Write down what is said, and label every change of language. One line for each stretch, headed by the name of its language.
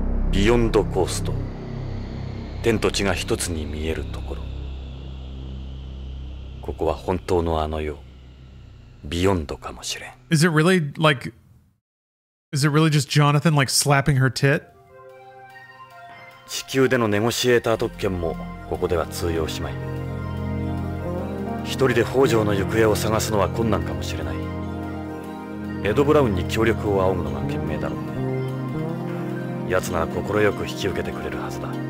Japanese: ビヨンドコースト、天と地が一つに見えるところ、ここは本当のあの世、ビヨンドかもしれん。
English: Is it really like Is it really just Jonathan like slapping her tit?
Japanese: 地球でのネゴシエーター特権もここでは通用しまい。一人で北条の行方を探すのは困難かもしれない。エド・ブラウンに協力を仰ぐのが賢明だろう。奴なら心よく引き受けてくれるはずだ。